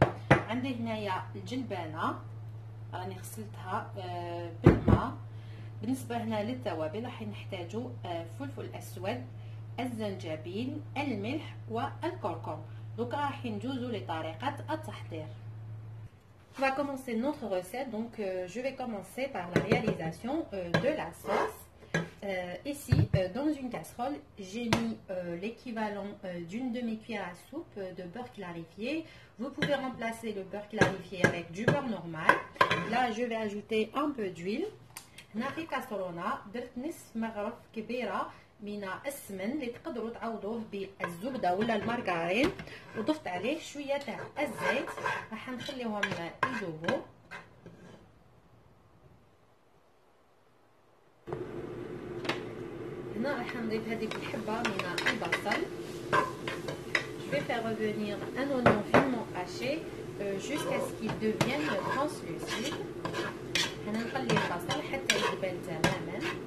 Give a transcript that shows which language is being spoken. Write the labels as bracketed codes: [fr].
[ar] عندي هنايا الجلبانة راني غسلتها بالماء. بالنسبة هنا للتوابل راح نحتاجو فلفل اسود، الزنجبيل، الملح والكركم. دوكا راح ندوزو لطريقة التحضير. [fr] On va commencer notre recette. Donc, je vais commencer par la réalisation de la sauce. Ici, dans une casserole, j'ai mis l'équivalent d'une demi-cuillère à soupe de beurre clarifié. Vous pouvez remplacer le beurre clarifié avec du beurre normal. Là, je vais ajouter un peu d'huile. [ar] Nafi kasserona, درت نصف مغرف كبيرة من السمن اللي تقدروا تعوضوه بالزبدة ولا المارغرين، وضفت عليه شوية تاع الزيت. راح نخليهم يذوبوا. هنا راح نضيف هذيك الحبة من البصل. [fr] Je vais faire revenir un oignon finement haché jusqu'à ce qu'il devienne translucide. [ar] هنا نخلي البصل حتى يذبل تماما.